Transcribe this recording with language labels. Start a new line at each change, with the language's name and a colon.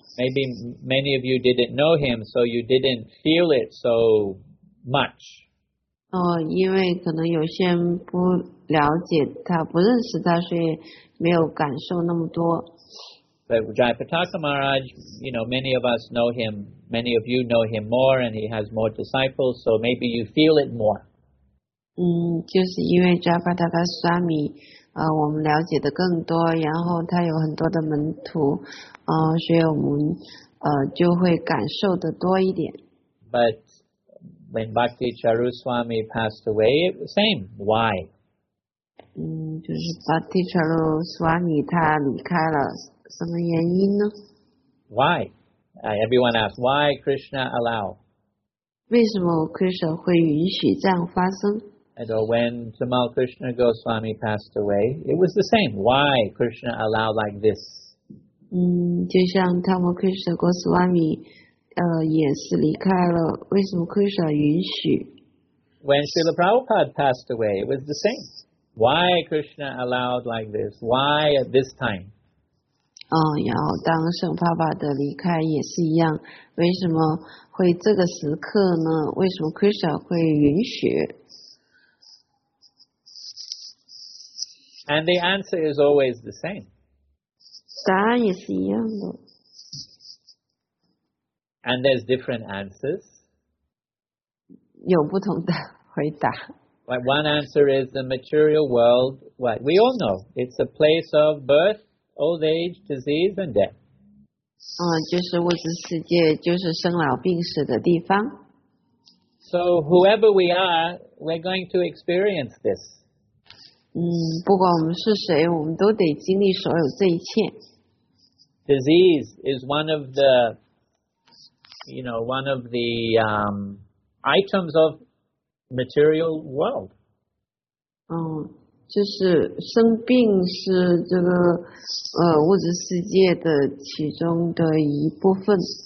English: Maybe many of you didn't know him, so you didn't feel it so much.
Chinese: 因为可能有些人不了解他，不认识他，所以没有感受那么多。
English: But Jayapataka Maharaj, you know, many of us know him, many of you know him more, and he has more disciples, so maybe you feel it more.
Chinese: 就是因为 Jayapataka Swami, 我们了解的更多，然后他有很多的门徒，所以我们就会感受的多一点。
English: But when Bhakti Charuswami passed away, it was the same. Why?
Chinese: 就是 Bhakti Charuswami 他离开了。什么原因呢?
English: Why? Everyone asks, why Krishna allow?
Chinese: 为什么 Krishna 会允许这样发生?
English: And when Tamal Krishna Goswami passed away, it was the same. Why Krishna allow like this?
Chinese: 就像 Tamal Krishna Goswami 也是离开了。为什么 Krishna 允许?
English: When Srila Prabhupada passed away, it was the same. Why Krishna allowed like this? Why at this time?
Chinese: 然后当圣爸爸的离开也是一样，为什么会这个时刻呢？为什么 Krishna 会允许
English: ？And the answer is always the same.
Chinese: 答案也是一样的。
English: And there's different answers.
Chinese: 有不同的回答。
English: Like one answer is the material world. What we all know, it's a place of birth. Old age, disease, and death.
Chinese: 就是物质世界，就是生老病死的地方。
English: So whoever we are, we're going to experience this.
Chinese: 不管我们是谁，我们都得经历所有这一切。
English: Disease is one of the, one of the items of material world.
Chinese: 就是生病是这个物质世界的其中的一部分。